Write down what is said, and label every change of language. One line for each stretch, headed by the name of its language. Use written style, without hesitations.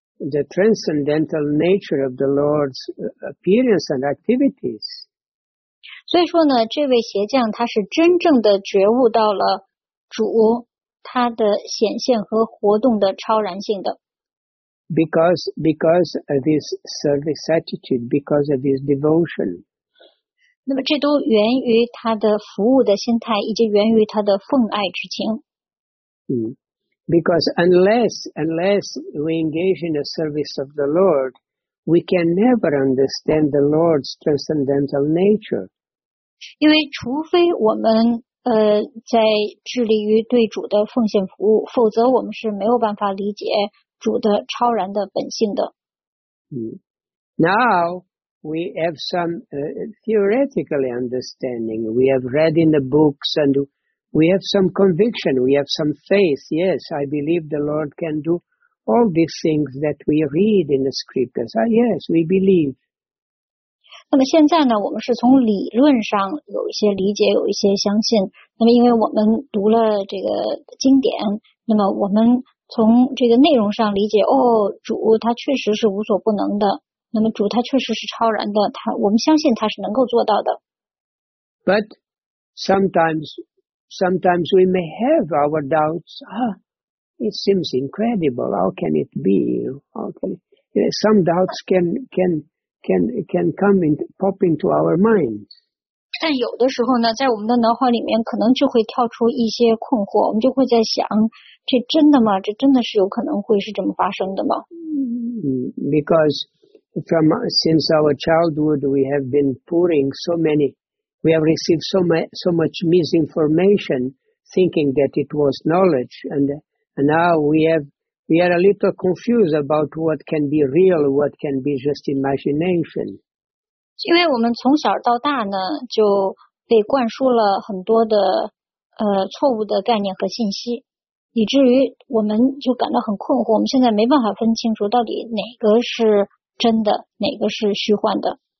English: the transcendental nature of the Lord's appearance and activities.
Chinese: 所以说呢，这位鞋匠他是真正的觉悟到了主他的显现和活动的超然性的。
English: Because of this service attitude, because of his devotion.
Chinese: 那么这都源于他的服务的心态，以及源于他的奉爱之情。
English: Because unless we engage in the service of the Lord, we can never understand the Lord's transcendental nature.
Chinese: 因为除非我们在致力于对主的奉献服务，否则我们是没有办法理解主的超然的本性的。
English: Now we have some theoretical understanding. We have read in the books and we have some conviction. We have some faith. Yes, I believe the Lord can do all these things that we read in the scriptures. Yes, we believe.
Chinese: 那么现在呢，我们是从理论上有一些理解，有一些相信。那么因为我们读了这个经典，那么我们从这个内容上理解，哦，主他确实是无所不能的，那么主他确实是超然的，他我们相信他是能够做到的。
English: But sometimes we may have our doubts. It seems incredible. How can it be? Some doubts can come in, pop into our minds.
Chinese: 但有的时候呢，在我们的脑海里面可能就会跳出一些困惑，我们就会在想，这真的吗？这真的是有可能会是这么发生的吗？
English: Because since our childhood, we have been pouring so many, we have received so much misinformation, thinking that it was knowledge, and now we are a little confused about what can be real, what can be just imagination.
Chinese: 因为我们从小到大呢，就被灌输了很多的错误的概念和信息，以至于我们就感到很困惑，我们现在没办法分清楚到底哪个是真的，哪个是虚幻的。